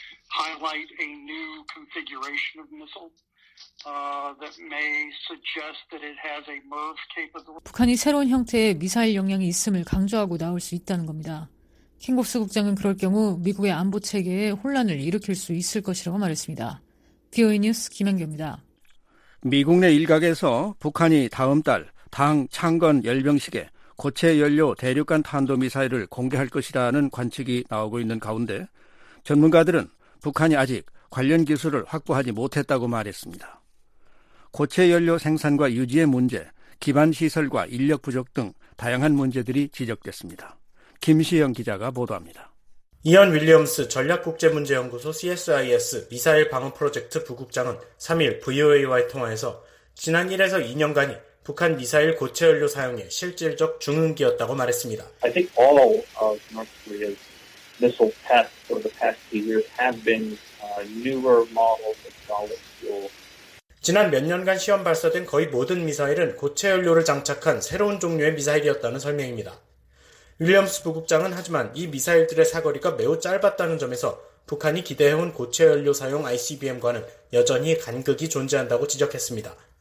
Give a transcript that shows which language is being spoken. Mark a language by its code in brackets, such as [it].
[en] Highlight a new configuration of missile that may suggest that it has a MIRV capability. [ko] 북한이 새로운 형태의 미사일 역량이 있음을 강조하고 나올 수 있다는 겁니다. 킹고스 국장은 그럴 경우 미국의 안보 체계에 혼란을 일으킬 수 있을 것이라고 말했습니다. VOA 뉴스 김현경입니다. 미국 내 일각에서 북한이 다음 달 당 창건 열병식에 고체 연료 대륙간 탄도 미사일을 공개할 것이라는 관측이 나오고 있는 가운데 전문가들은 북한이 아직 관련 기술을 확보하지 못했다고 말했습니다. 고체 연료 생산과 유지의 문제, 기반 시설과 인력 부족 등 다양한 문제들이 지적됐습니다. 김시영 기자가 보도합니다. 이언 윌리엄스 전략국제문제연구소 CSIS 미사일 방어 프로젝트 부국장은 3일 VOA와의 통화에서 지난 1에서 2년간이 북한 미사일 고체 연료 사용의 실질적 중흥기였다고 말했습니다. [en] I think all of North Korea's missile tests for the past few years have been newer models of solid fuel. [ko] 지난 몇 년간 시험 발사된 거의 모든 미사일은 고체 연료를 장착한 새로운 종류의 미사일이었다는 설명입니다. 윌리엄스 부국장은 하지만 이 미사일들의 사거리가 매우 짧았다는 점에서 북한이 기대해온 고체 연료 사용 ICBM과는 여전히 간극이 존재한다고 지적했습니다.